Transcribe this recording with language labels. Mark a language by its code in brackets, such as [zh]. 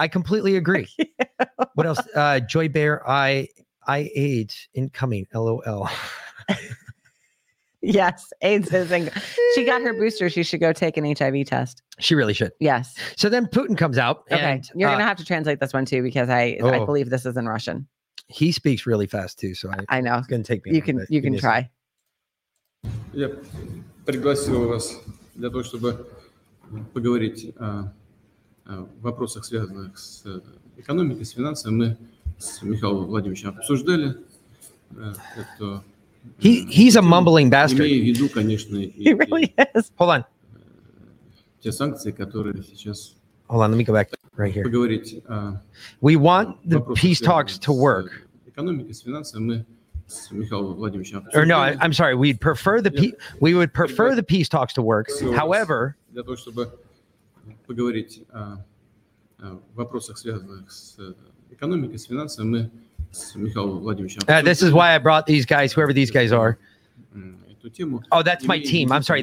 [en] I completely agree. What else? Joy Bear, I AIDS incoming. LOL. Yes, AIDS is incoming. She got her booster. She should go take an HIV test. She really should. Yes. So then Putin comes out. Okay. And, you're going to have to translate this one too, because I believe this is in Russian. He speaks really fast too. So I know. It's going to take me. You can try. [ru] Я пригласил вас для того, чтобы поговорить в вопросах, связанных с экономикой, с финансами. Мы с Михаилом Владимировичем обсуждали [en] He's a mumbling bastard. [ru] Имею в виду, конечно, [en] he really is. Hold on. [ru] Те санкции, которые сейчас... [en] Hold on, let me go back right here. [ru] Поговорить, [en] we want the peace talks to work. [ru] Экономикой, с финансами мы... [en] Or no, I'm sorry. We'd prefer the we would prefer the peace talks to work. However, this is why I brought these guys, whoever these guys are. Oh, that's my team. I'm sorry.